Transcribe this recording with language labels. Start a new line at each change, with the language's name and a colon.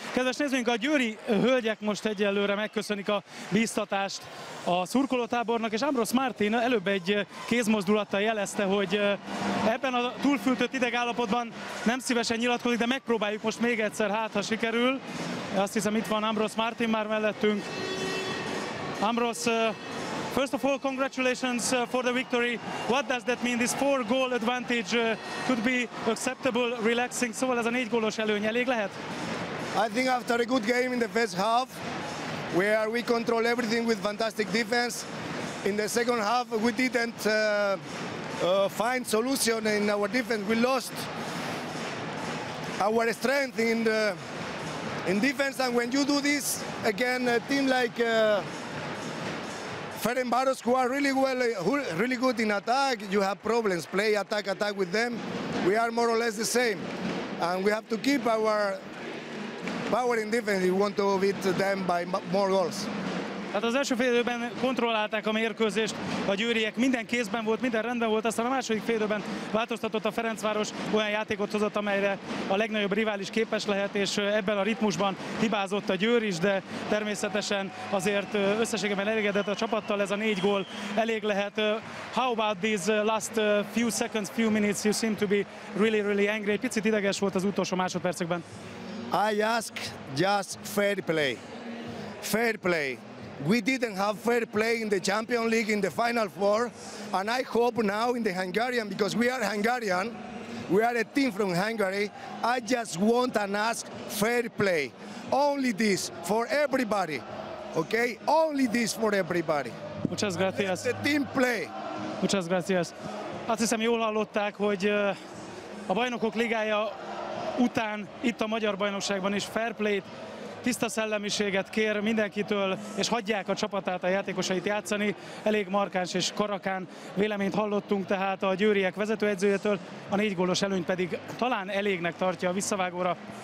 Hungarian: Kedves nézőink, a győri hölgyek most egyelőre megköszönik a bíztatást a szurkolótábornak, és Ambrosz Martin előbb egy kézmozdulattal jelezte, hogy ebben a túlfűtött idegállapotban nem szívesen nyilatkozik, de megpróbáljuk most még egyszer, hát ha sikerül. Azt hiszem, itt van Ambrosz Martin már mellettünk. Ambrosz,
English: First of all, congratulations for the victory. What does that mean? This 4-goal advantage could be acceptable, relaxing.
Hungarian: Szóval ez a 4 gólos előny elég lehet?
English: I think after a good game in the first half, where we control everything with fantastic defense, in the second half we didn't find solution in our defense. We lost our strength in defense. And when you do this again, a team like Ferencváros, who are really well, who really good in attack, you have problems. Play attack, attack with them. We are more or less the same, and we have to keep our power in defense. We want to beat them by more goals.
Hungarian: Hát az első fél időben kontrollálták a mérkőzést a győriek, minden kézben volt, minden rendben volt, aztán a második fél időben változtatott a Ferencváros, olyan játékot hozott, amelyre a legnagyobb rivális képes lehet, és ebben a ritmusban hibázott a Győr is, de természetesen azért összességében elégedett a csapattal, ez a 4 gól elég lehet.
English: How about these last few seconds, few minutes, you seem to be really, really angry,
Hungarian: egy picit ideges volt az utolsó másodpercekben.
English: I ask just fair play, fair play. We didn't have fair play in the Champions League in the Final Four, and I hope now in the Hungarian, because we are Hungarian, we are a team from Hungary, I just want and ask fair play. Only this for everybody, okay? Only this for everybody.
Spanish: Muchas gracias.
English: The team play.
Spanish: Muchas gracias.
Hungarian: Azt hiszem, jól hallották, hogy a Bajnokok Ligája után itt a Magyar Bajnokságban is fair play-t, tiszta szellemiséget kér mindenkitől, és hagyják a csapatát, a játékosait játszani. Elég markáns és karakán véleményt hallottunk tehát a győriek vezetőedzőjétől, a 4 gólos előny pedig talán elégnek tartja a visszavágóra.